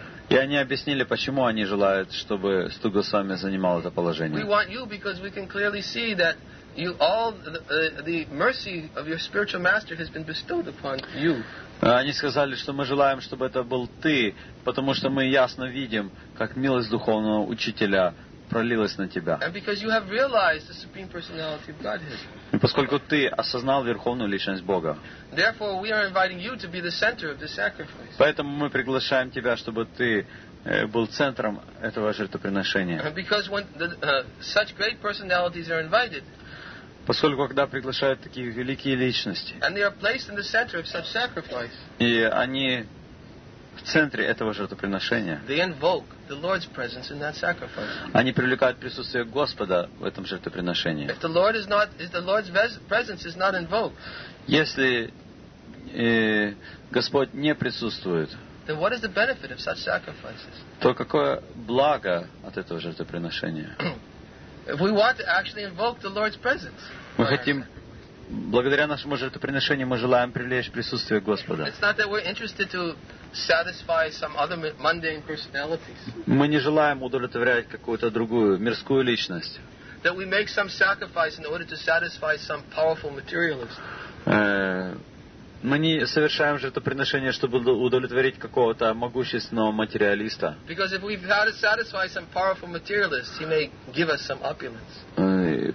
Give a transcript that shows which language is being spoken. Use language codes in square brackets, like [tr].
[ru] И они объяснили, почему они желают, чтобы Суту Госвами занимал это положение. Мы хотим вас, потому что мы можем ясно видеть, что [en] you all the mercy of your spiritual master has been bestowed upon you. [ru] Они сказали, что мы желаем, чтобы это был ты, потому что мы ясно видим, как милость духовного учителя пролилась на тебя. [en] And because you have realized the supreme personality of Godhead. [ru] И поскольку ты осознал верховную личность Бога. [en] Therefore, we are inviting you to be the center of the sacrifice. [ru] Поэтому мы приглашаем тебя, чтобы ты был центром этого жертвоприношения. [en] Because when such great personalities are invited. [ru] Поскольку когда приглашают такие великие личности. [en] And they are placed in the center of such sacrifice. [ru] И они в центре этого жертвоприношения. [en] They invoke the Lord's presence in that sacrifice. [ru] Они привлекают присутствие Господа в этом жертвоприношении. [en] If the Lord is not, if the Lord's presence is not invoked. [ru] Если Господь не присутствует. [en] Then what is the benefit of such sacrifices? [ru] То какое благо от этого жертвоприношения? [en] If we want to actually invoke the Lord's presence. [ru] Мы хотим, благодаря нашему жертвоприношению, мы желаем привлечь присутствие Господа. [en] It's not that we're interested to satisfy some other mundane personalities. [ru] Мы не желаем удовлетворять какую-то другую мирскую личность. [en] That we make some sacrifice in order to satisfy some powerful materialist. [ru] Мы не совершаем жертвоприношение, чтобы удовлетворить какого-то могущественного материалиста. [en] Because if we've had to satisfy some powerful materialist, he may give us some opulence.